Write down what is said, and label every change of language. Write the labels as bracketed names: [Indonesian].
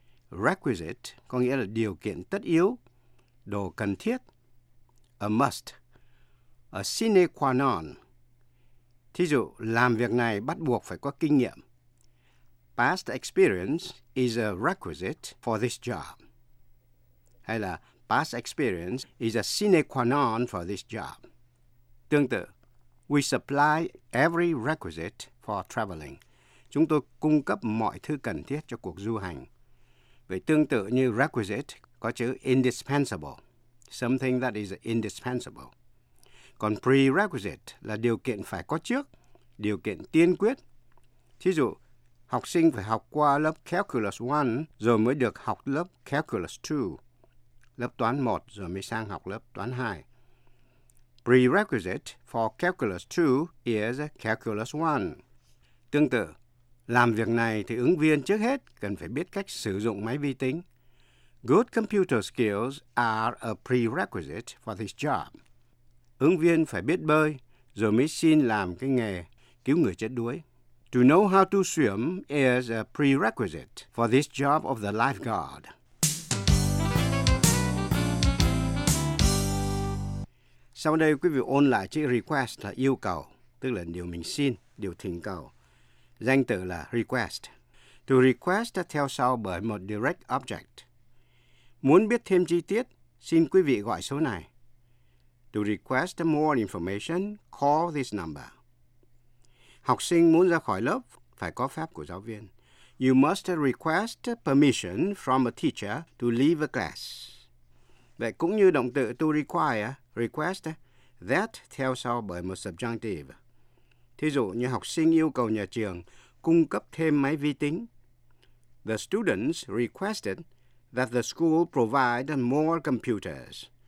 [Vietnamese] Requisite có nghĩa là điều kiện tất yếu, đồ cần thiết, a must, a sine qua non. Thí dụ, làm việc này bắt buộc phải có kinh nghiệm. [English] Past experience is a requisite for this job. Hay là past experience is a sine qua non for this job. [Vietnamese] Tương tự, [English] we supply every requisite for traveling. [Vietnamese] Chúng tôi cung cấp mọi thứ cần thiết cho cuộc du hành. Vậy tương tự như requisite có chữ indispensable, [English] something that is indispensable. [Vietnamese] Còn prerequisite là điều kiện phải có trước, điều kiện tiên quyết. Thí dụ, học sinh phải học qua lớp Calculus 1 rồi mới được học lớp Calculus 2, lớp toán 1 rồi mới sang học lớp toán 2. [English] Prerequisite for Calculus 2 is Calculus 1. [Vietnamese] Tương tự, làm việc này thì ứng viên trước hết cần phải biết cách sử dụng máy vi tính. [English] Good computer skills are a prerequisite for this job. [Vietnamese] Ứng viên phải biết bơi, rồi mới xin làm cái nghề cứu người chết đuối. [English] To know how to swim is a prerequisite for this job of the lifeguard. [Vietnamese] Sau đây, quý vị ôn lại chữ request là yêu cầu, tức là điều mình xin, điều thỉnh cầu. Danh từ là request. To request theo sau bởi một direct object. Muốn biết thêm chi tiết, xin quý vị gọi số này. [English] To request more information, call this number. [Vietnamese] Học sinh muốn ra khỏi lớp, phải có phép của giáo viên. [English] You must request permission from a teacher to leave a class. [Vietnamese] Vậy cũng như động từ to require, request, that theo sau bởi một subjunctive. Thí dụ như học sinh yêu cầu nhà trường cung cấp thêm máy vi tính. [English] The students requested that the school provide more computers.